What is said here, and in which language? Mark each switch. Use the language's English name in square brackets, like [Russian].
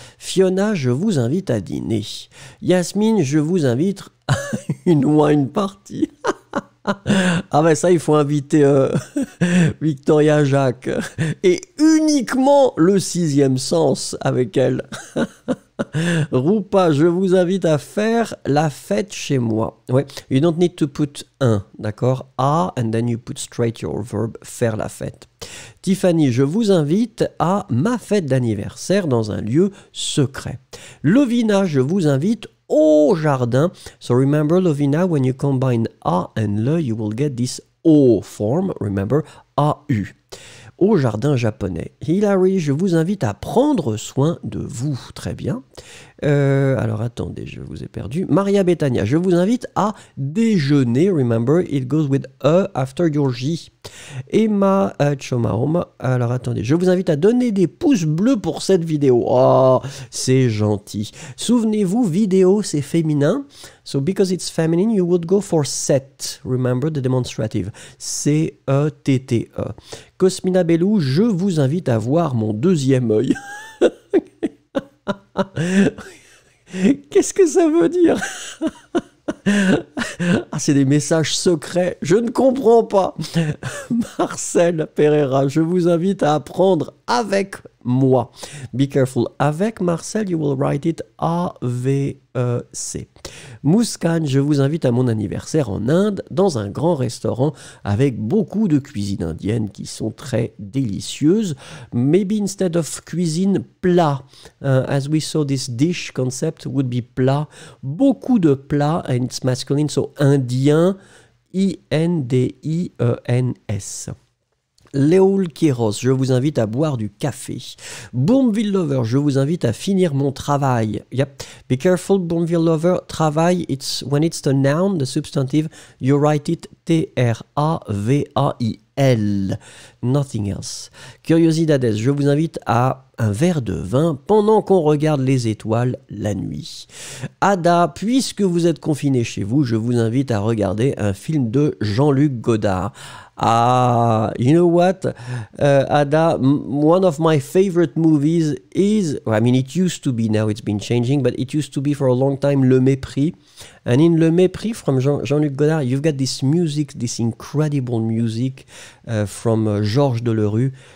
[French] Fiona, je vous invite à dîner. Yasmine, je vous invite à une [English] wine party. [French] Ah ben ça il faut inviter Victoria Jacques et uniquement le sixième sens avec elle. Rupa, je vous invite à faire la fête chez moi. [English] Ouais, you don't need to put un, [French] d'accord? [English] A, and then you put straight your verb, [French] faire la fête. Tiffany, je vous invite à ma fête d'anniversaire dans un lieu secret. Lovina, je vous invite au jardin. [English] So remember, Lovina, when you combine A and L, you will get this O form. Remember, [French] A-U. Au jardin japonais. Hilary, je vous invite à prendre soin de vous. Très bien. Alors, attendez, je vous ai perdu. Maria Bethania, je vous invite à déjeuner. [English] Remember, it goes with a after your J. [French] Emma Chomaoma, alors attendez, je vous invite à donner des pouces bleus pour cette vidéo. Oh, c'est gentil. Souvenez-vous, vidéo, c'est féminin. [English] So, because it's feminine, you would go for set. Remember the demonstrative. C-E-T-T-E. [French] Cosmina Bellou, je vous invite à voir mon deuxième œil. Qu'est-ce que ça veut dire? Ah, c'est des messages secrets, je ne comprends pas. Marcel Pereira, je vous invite à apprendre avec moi. [English] Be careful, [French] avec Marcel, [English] you will write it A-V-E-C. [French] Mouskan, je vous invite à mon anniversaire en Inde, dans un grand restaurant avec beaucoup de cuisine indienne qui sont très délicieuses. [English] Maybe instead of cuisine, plat. As we saw, this dish concept would be plat. [French] Beaucoup de plats, [English] and it's masculine, so indien, I-N-D-I-E-N-S. [French] Léoul Kiros, je vous invite à boire du café. Bourneville Lover, je vous invite à finir mon travail. [English] Yep, be careful, Bourneville Lover. Travail, it's when it's the noun, the substantive, you write it T-R-A-V-A-I-L. Nothing else. [French] Curiosidades, je vous invite à un verre de vin pendant qu'on regarde les étoiles la nuit. Ada, puisque vous êtes confiné chez vous, je vous invite à regarder un film de Jean-Luc Godard. [English] Ah, you know what, Ada, one of my favorite movies is, I mean, it used to be, now it's been changing, but it used to be for a long time, Le Mépris. And in Le Mépris from Jean-Luc Godard, you've got this music, this incredible music from Georges Delerue.